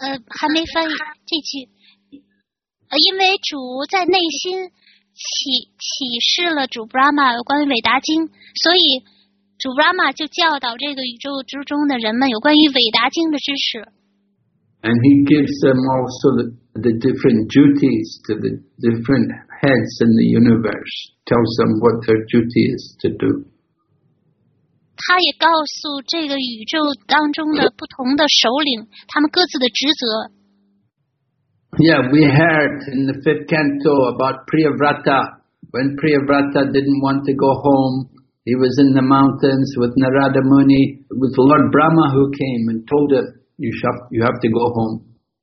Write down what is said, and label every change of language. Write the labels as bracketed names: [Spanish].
[Chinese] 还没翻译这句。因为主在内心启示了主 Brahma 有关于伟达经，所以主 Brahma 就教导这个宇宙之中的人们有关于伟达经的知识。 [English] And he gives them also the different duties to the different heads in the universe. Tells them what their duty is to do. [Chinese] 他也告诉这个宇宙当中的不同的首领他们各自的职责。 [English] Yeah, we heard in the fifth canto about Priyavrata. When Priyavrata didn't want to go home, he was in the mountains with Narada Muni. It was Lord Brahma who came and told him, you have to go home.